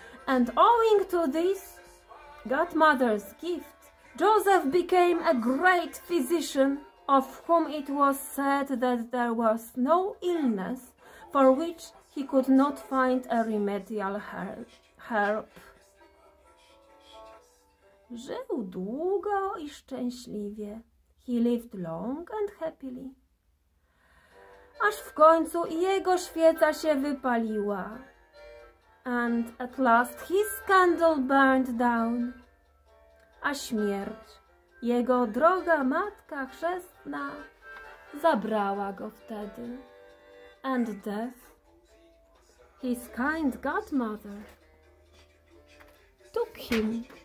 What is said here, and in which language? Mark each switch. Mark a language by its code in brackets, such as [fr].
[en] And owing to this godmother's gift, Joseph became a great physician, of whom it was said that there was no illness for which he could not find a remedial help. [pl] Żył długo i szczęśliwie. [en] He lived long and happily. [pl] Aż w końcu jego świeca się wypaliła. [en] And at last his candle burned down. [pl] A śmierć, jego droga Matka Chrzestna, zabrała go wtedy. [en] And death, his kind godmother, took him.